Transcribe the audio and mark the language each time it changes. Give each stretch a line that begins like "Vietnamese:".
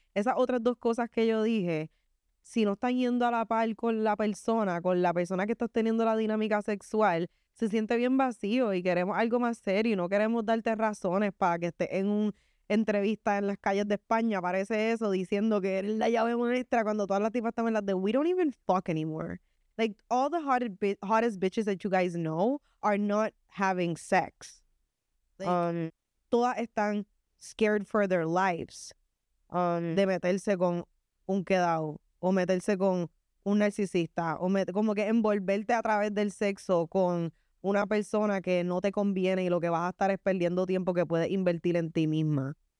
Spanish: Esas otras dos cosas que yo dije, si no están yendo a la par con la persona que estás teniendo la dinámica sexual, se siente bien vacío y queremos algo más serio y no queremos darte razones para que estés en un entrevista en las calles de España, parece eso, diciendo que eres la llave maestra cuando todas las tipas están en las de
English: we don't even fuck anymore. Like, all the hottest bitches that you guys know are not having sex.
Spanish: Like, todas están
English: scared for their lives
Spanish: de meterse con un quedado o meterse con un narcisista o como que envolverte a través del sexo con una persona que no te conviene y lo que vas a estar es perdiendo tiempo que puedes invertir en ti misma.